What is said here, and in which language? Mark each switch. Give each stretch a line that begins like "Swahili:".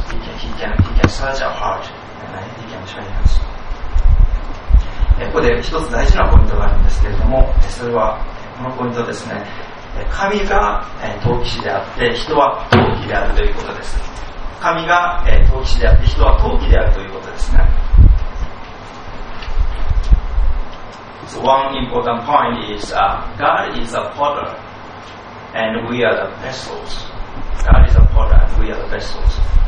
English: He can search our heart and he can train us.
Japanese: ここで一つ大事なポイントがあるんですけれども、それはこのポイントですね。神が陶器師であって人は陶器であるということです。神が陶器師であって人は陶器であるということですね。
English: So one important point is God is a potter and we are the vessels. God is a potter and we are the vessels.